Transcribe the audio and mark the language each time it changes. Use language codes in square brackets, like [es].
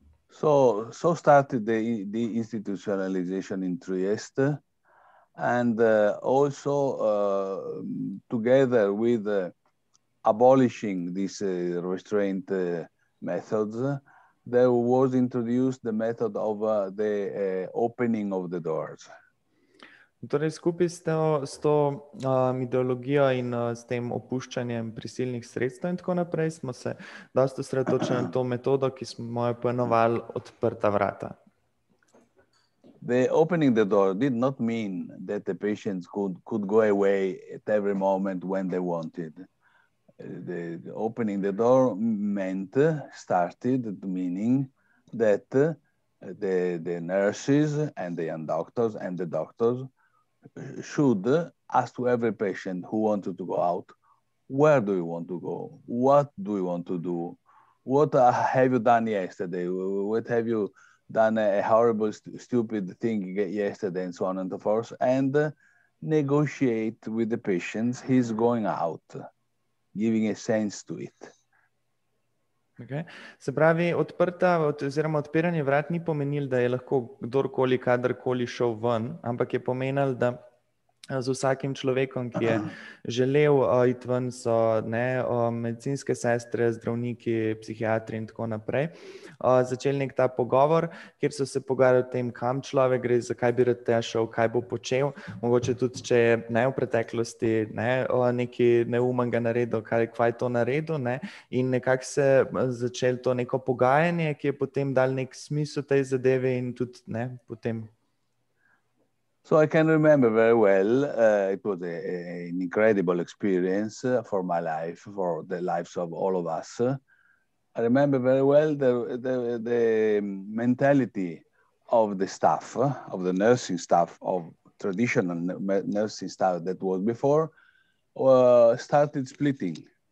[en] So started the institutionalization in Trieste, and also together with abolishing these restraint methods, there was introduced the method of the opening of the doors. [sl] Torej, skupaj s to ideologijo in s tem opuščanjem prisilnih sredstev in tako naprej, smo se dosti osredotočili na to metodo, ki smo jo poimenovali odprta vrata. [en] The opening the door did not mean that the patients could go away at every moment when they wanted. The opening the door meant, started meaning that the nurses and the young doctors and the doctors should ask to every patient who wanted to go out, where do you want to go? What do you want to do? What have you done yesterday? What have you done a horrible, stupid thing yesterday and so on and so forth, and negotiate with the patients he's going out, giving a sense to it. Okay. [sl] Se pravi, oziroma odpiranje vrat ni pomenil, da je lahko kdorkoli, kadarkoli šel ven, ampak je pomenil, da z vsakim človekom, ki je želel iti ven, so medicinske sestre, zdravniki, psihiatri in tako naprej, začel nek ta pogovor, kjer so se pogovarjali o tem, kam človek gre, zakaj bi rad šel, kaj bo počel, mogoče tudi, če je v preteklosti neki neumnega naredil, kaj je to naredil, in nekako se začel to neko pogajanje, ki je potem dal nek smisel tej zadeve in tudi potem... [en] So I can remember very well, it was an incredible experience for my life, for the lives of all of us. I remember very well the mentality of the staff, of the nursing staff, of traditional nursing staff that was before, started splitting.